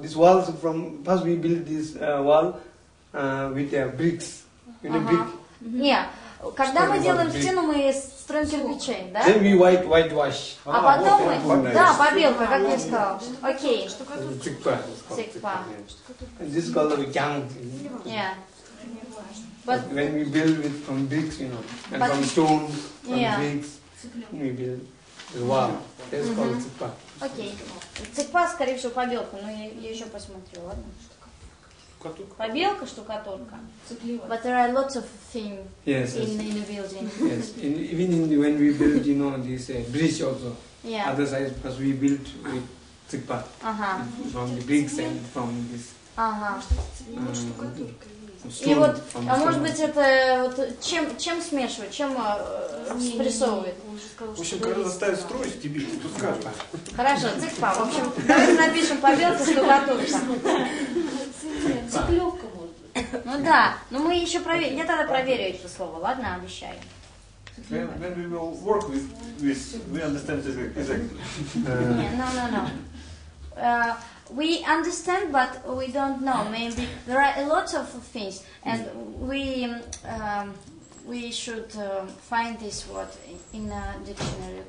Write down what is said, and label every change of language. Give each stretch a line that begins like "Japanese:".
English: This wall is from first we build this wall with bricks. You know, brick. Yeah.
Russian: Когда мы делаем стену, мы строим кирпичей, да?
English: Then we whitewash.
Russian: А потом мы... Да, побелка, как я сказал. Окей.
Tibetan: Цикпа. Цикпа.
English: This color we can't... Yeah. But when we build with from bricks, you know, and from stones, from bricks, we build the wall. That's called цикпа.
Russian: Окей. Цикпа, скорее всего, побелка, но я еще посмотрю, ладно? Штукатурка. Побелка, штукатурка. Цикливо.
English: But there are lots of things in the building. Yes, when we build, you know, this bridge also. Yeah. Other side, because we built with цикпа.
Russian: Ага.
English: From the bricks and from this.
Russian: Ага. Штукатурка. И вот, а может быть это вот чем смешивать, чем спрессовывать? В общем, когда ставят строй, тебе что скажешь? Хорошо, цикпа. В общем, давайте напишем побелка, штукатурка. Цыплёвка, может быть. Ну да, но мы еще проверим. Я тогда проверю эти слова, ладно, обещаю.
English: When we will work with we understand this exactly. No. We understand, but we don't know. Maybe there are a lot of things, and we should find this word in a dictionary.